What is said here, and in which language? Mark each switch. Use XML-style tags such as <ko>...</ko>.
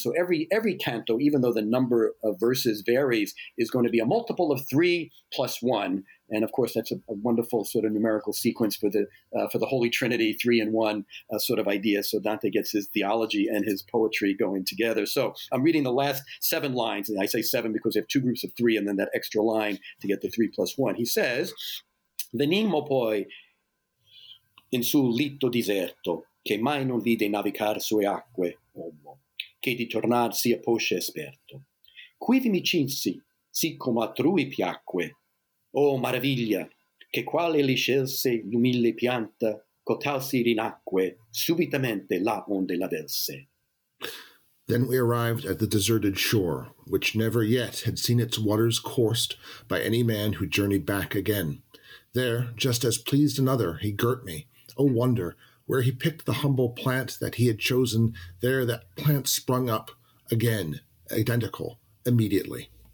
<en>So every canto, even though the number of verses varies, is going to be a multiple of three plus one. And of course, that's a wonderful sort of numerical sequence for the Holy Trinity, three in one sort of idea. So Dante gets his theology and his poetry going together. So I'm reading the last seven lines, and I say seven because they have two groups of three and then that extra line to get the three plus one. He says,</en> <it>"Venimmo poi in sul litto deserto, che mai non vide navigar sue acque, uomo, che di tornar sia posce esperto. Quivi mi cinsi, siccome altrui piacque, oh, maraviglia, che quale li scelse l'umile pianta, cotal si rinacque subitamente là onde la velse."</it> <en>Then we arrived at the deserted shore, which never yet had seen its waters coursed by any man who journeyed back again. There, just as pleased another, he girt me, oh wonder, where he picked the humble plant that he had chosen, there that plant sprung up again, identical, immediately.</en>